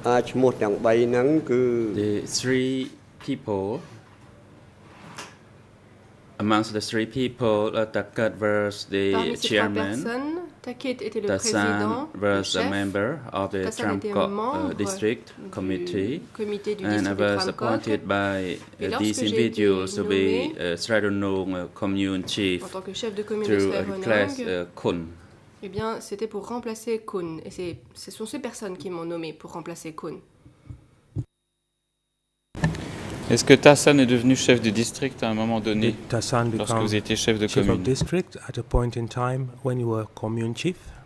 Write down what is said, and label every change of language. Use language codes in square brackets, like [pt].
[en] The three people, amongst the three people, Takit was the chairman, Tassan was a member of the Tramco district committee, and I was appointed by these individuals to be Sri Ronong commune chief to replace Khun. [fr] Eh bien, c'était pour remplacer Khun. Et ce sont ces personnes qui m'ont nommé pour remplacer Khun. Est-ce que Tassan est devenu chef de district à un moment donné, Tassan lorsque vous étiez chef de commune? [en] Chief of district at a point in time when you were commune chief?